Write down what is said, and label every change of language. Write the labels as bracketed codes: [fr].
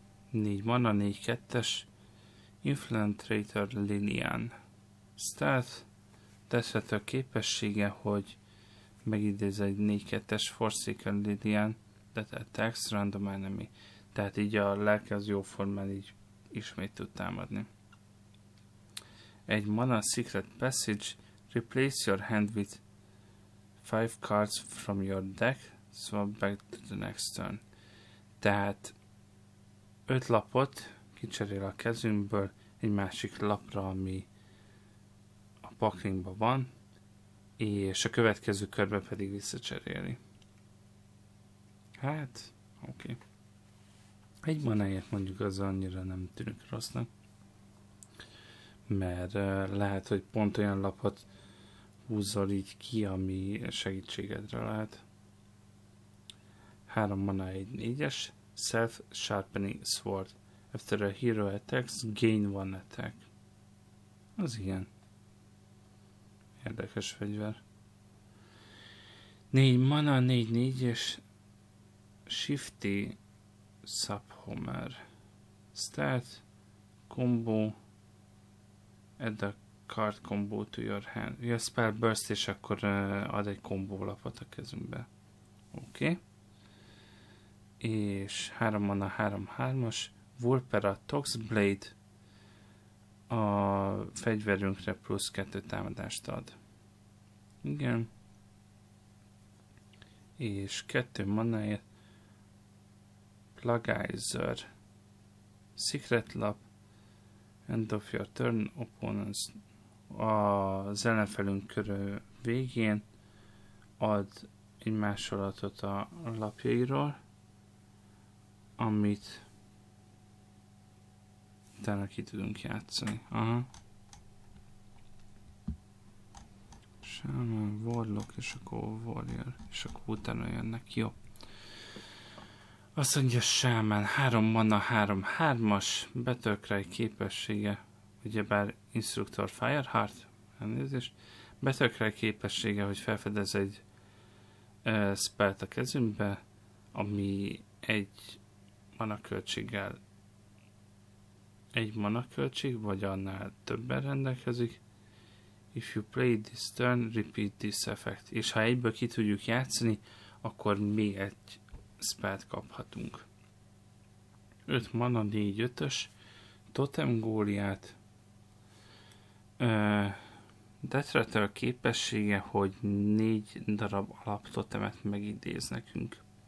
[hu] 4 mana, 4-2-es. Infiltrator Linian. Stealth. Tesszető a képessége, hogy megidéz egy 4-2-es Forsaken Linian, de [en] text random enemy. [hu] Tehát így a lelke az jó formán így ismét tud támadni. 1 mana, Secret Passage. [en] Replace your hand with 5 cards from your deck, swap back to the next turn. [hu] Tehát 5 lapot kicserél a kezünkből egy másik lapra, ami a pakrinkban van, és a következő körbe pedig visszacseréli. Hát, oké. Okay. Egy manáért mondjuk az annyira nem tűnik rossznak, mert lehet, hogy pont olyan lapot húzzal így ki, ami segítségedre lehet. 3 mana, 1-4-es. Self-sharpening sword. [en] After a hero attacks, gain 1 attack. [hu] Az igen. Érdekes fegyver. 4 mana, 4-4-es. Shifty Subhomer. [en] Stat, combo. Add a card combo to your hand. [hu] Ja, spell burst, és akkor ad egy combo lapot a kezünkbe. Oké. Okay. És 3 mana, 3-3-as. Vulpera Toxblade. A fegyverünkre +2 támadást ad. Igen. És 2 manáért Plagizer. Secret lap. [en] End of your turn, opponents. [hu] Az ellenfelünk körül végén ad egy másolatot a lapjairól, amit utána ki tudunk játszani. Aha. Shaman, Warlock és akkor Warrior, és akkor utána jönnek. Jó. Azt mondja Shaman, 3 mana, 3-3-as, Battlecry képessége, ugyebár Instructor Fireheart, elnézést, Battlecry képessége, hogy felfedez egy spellt a kezünkbe, ami egy mana költséggel egy mana költség, vagy annál többen rendelkezik. [en] If you play this turn, repeat this effect. [hu] És ha egyből ki tudjuk játszani, akkor még egy spellt kaphatunk. 5 mana, 4-5-ös. Totem Góliát. Deathrattle képessége, hogy 4 darab alaptotemet megidéz nekünk.